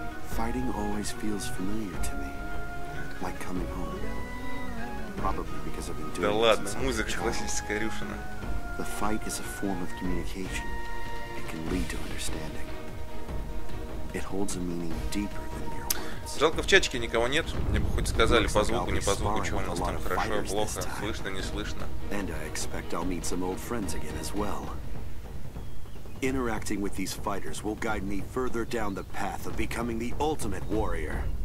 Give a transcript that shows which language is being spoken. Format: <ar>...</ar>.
<en>Fighting always feels familiar to me. Like coming home. Probably because I've been doing this.</en> <ru>Да ладно, музыка классическая, Рюшина.</ru> <en>The fight is a form of communication. It can lead to understanding. It holds a meaning deeper than your.</en> <ru>Жалко, в чатике никого нет. Мне бы хоть сказали по звуку, не по звуку, что у нас там хорошо, плохо, слышно, не слышно.</ru> <en>And I expect I'll meet some old friends again as well. Interacting with these fighters will guide me further down the path of becoming the ultimate warrior.</en>